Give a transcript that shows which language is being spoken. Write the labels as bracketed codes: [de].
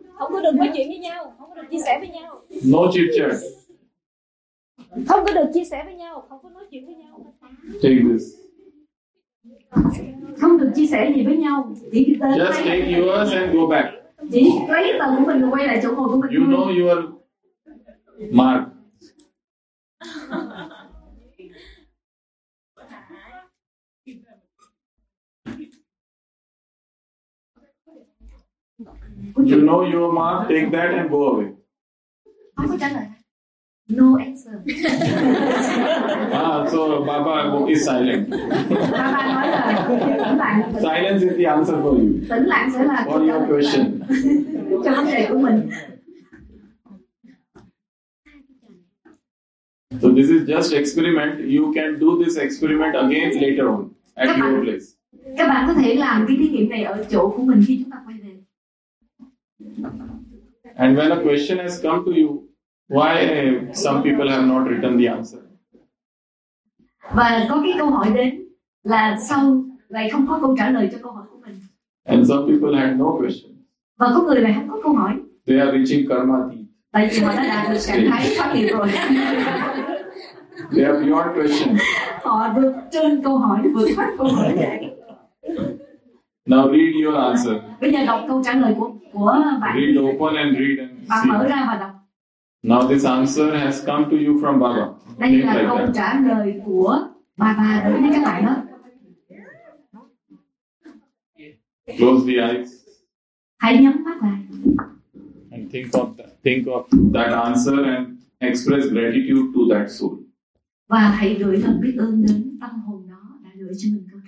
[vi] Không có được nói chuyện với nhau. Không có được chia sẻ với nhau. [en] No chit chat. [vi] Không có được chia sẻ với nhau. Không có nói chuyện với nhau. [en] Take this. [vi] Không được chia sẻ gì với nhau. [en] Just take yours and go back. [vi] Chỉ lấy tờ của mình quay lại chỗ ngồi của mình. [en] You know your mark. You know your mom, take that and go away. No answer. Ah, so Baba is silent. Silence is the answer for you. For your question. So this is just experiment. You can do this experiment again later on at your place. [vi] Các bạn có thể làm cái thí nghiệm này ở chỗ của mình khi chúng ta quay về. [en] And when a question has come to you, why some people have not written the answer? [vi] Và có cái câu hỏi đến là sao lại không có câu trả lời cho câu hỏi của mình? [en] And some people had no question. [vi] Và có người lại không có câu hỏi. [en] They are reaching karma thi. [vi] Tại vì họ đã đạt được trạng thái thoát nghiệp rồi. [en] They are beyond question. [vi] Họ vượt trên câu hỏi, vượt thoát câu hỏi. [en] Now read your answer. [vi] Bây giờ đọc câu trả lời của bạn. [en] Read open and read and [vi] bạn [en] see. [vi] Bạn mở ra và đọc. [en] Now this answer has come to you from Baba. [vi] Đây là [en] like [vi] câu [en] that. [vi] Trả lời của Baba đối với các bạn đó. [en] Close the eyes. [vi] Hãy nhắm mắt lại. [en] And think of that answer and express gratitude to that soul. [vi] Và hãy gửi lời biết ơn đến tâm hồn đó đã gửi cho mình.